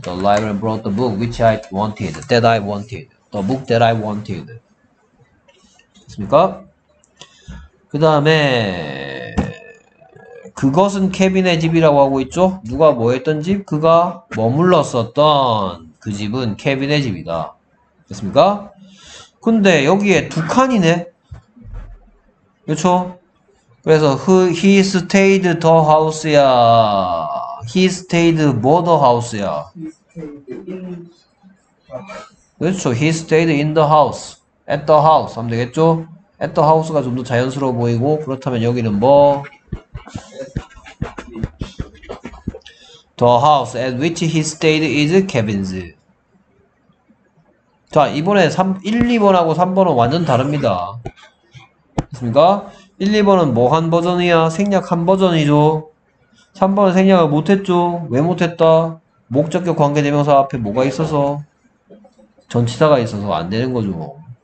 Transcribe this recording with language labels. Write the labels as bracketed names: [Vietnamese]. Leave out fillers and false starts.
[English] The library brought the book which I wanted, that I wanted, the book that I wanted. [Korean] 됐습니까? 그 다음에 그것은 케빈의 집이라고 하고 있죠? 누가 뭐 했던 집? 그가 머물렀었던 그 집은 케빈의 집이다. 됐습니까? 근데 여기에 두 칸이네. 그렇죠? 그래서 [English] he stayed the house야. He stayed more the house야. He stayed in [Korean] 그렇죠. [English] He stayed in the house. At the house [Korean] 하면 되겠죠? [English] At the house [Korean] 가 좀더 자연스러워 보이고, 그렇다면 여기는 뭐? [English] The house at which he stayed is Kevin's. [Korean] 자, 이번에 1, 2번하고 3번은 완전 다릅니다. 맞습니까? 1, 2번은 뭐한 버전이야? 생략한 버전이죠. 3번은 생략을 못했죠. 왜 못했다? 목적격 관계대명사 앞에 뭐가 있어서? 전치사가 있어서 안 되는 거죠.